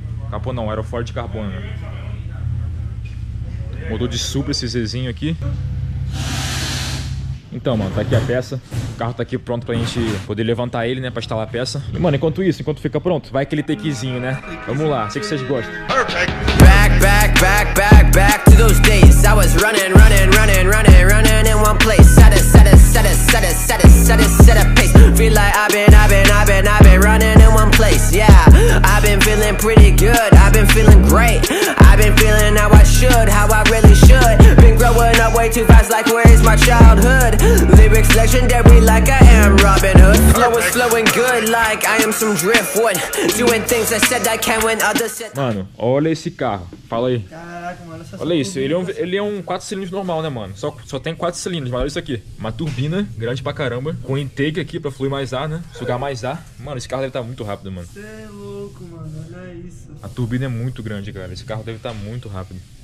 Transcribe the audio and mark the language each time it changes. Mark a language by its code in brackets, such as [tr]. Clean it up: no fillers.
[pt] Capô não, era o Ford de carbono, né? Mudou de Supra esse Zezinho aqui. Então, mano, tá aqui a peça. O carro tá aqui pronto pra gente poder levantar ele, né? Pra instalar a peça. E, mano, enquanto isso, enquanto fica pronto, vai aquele takezinho, né? Vamos lá, sei que vocês gostam. [en] Back, back, back, back, back to those days. I was running, running, running, running, running in one place. Set it, set it, set it, set it, set it, set it, set a pace. Feel like I've been running in one place. Yeah, I've been feeling pretty good. I've been feeling great. I've been feeling how I should, how I really should. Been growing up way too fast, like where is my childhood? Lyrics legendary, like I am Robin Hood. Flow is flowing good, like I am some driftwood. Doing things I said I can when others said. [pt] Mano, olha esse carro. Fala aí. Olha isso, ele é um 4 cilindros normal, né, mano? Só tem 4 cilindros, mas olha isso aqui. Uma turbina grande pra caramba. Com intake aqui pra fluir mais ar, né? Sugar mais ar. Mano, esse carro deve estar muito rápido, mano. Você é louco, mano. Olha isso. A turbina é muito grande, cara. Esse carro deve estar muito rápido.